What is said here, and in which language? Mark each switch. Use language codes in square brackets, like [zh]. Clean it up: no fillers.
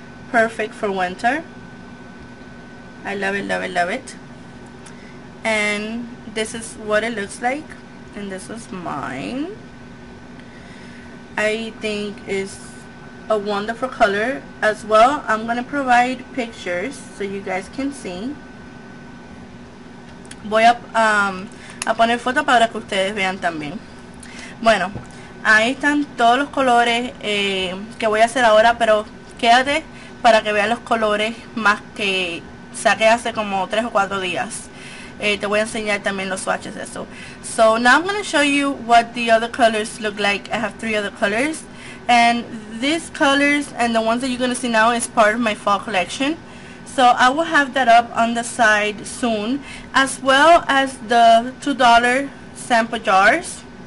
[en] Perfect for winter. I love it, love it, love it. And this is what it looks like, and this is mine. I think is a wonderful color as well. I'm going to provide pictures so you guys can see. [es] Voy a poner fotos para que ustedes vean también. Bueno, ahí están todos los colores que voy a hacer ahora, pero quédate para que veas los colores más que saqué hace como 3 o 4 días. Te voy a enseñar también los swatches de eso. [en] So now I'm going to show you what the other colors look like. I have 3 other colors. And these colors and the ones that you're going to see now is part of my fall collection. So I will have that up on the side soon, as well as the $2 sample jars.